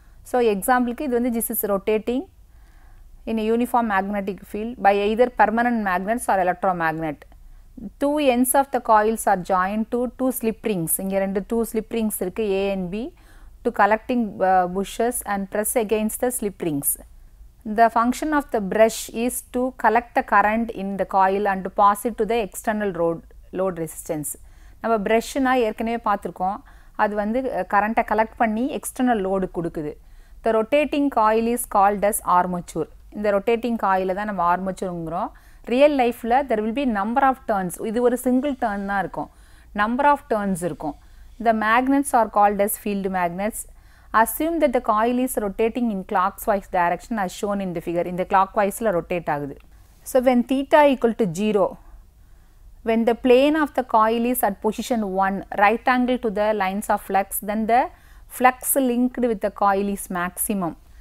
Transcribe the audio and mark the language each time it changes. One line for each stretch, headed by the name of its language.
English: So எக்ஸாம்பிளுக்கு இது வந்து this is rotating in uniform magnetic field by either permanent magnets or electromagnet. Two ends of the coils are join to two slip rings,
Tamil: இங்கே ரெண்டு two slip rings இருக்குது ANB,
English: To collecting brushes and press against the slip rings. The function of the brush is to collect the current in the coil and to pass it to the external load resistance.
Tamil: நம்ம ப்ரெஷ்னா ஏற்கனவே பார்த்துருக்கோம், அது வந்து கரண்ட்டை collect பண்ணி external load கொடுக்குது.
English: The rotating coil is called as armature.
Tamil: இந்த rotating காயிலில் தான் நம்ம ஆர்மச்சூருங்கிறோம்.
English: real லைஃப்பில் there will be number of turns,
Tamil: இது ஒரு சிங்கிள் டேர்ன் தான் இருக்கும்,
English: Number of turns இருக்கும். The magnets are called as field magnets, Assume that the coil is rotating in clockwise direction as shown in the figure. In the clockwise
Tamil: la rotate agudhu.
English: So when theta equal to 0, when the plane of the coil is at position 1, right angle to the lines of flux, then the flux linked with the coil is maximum.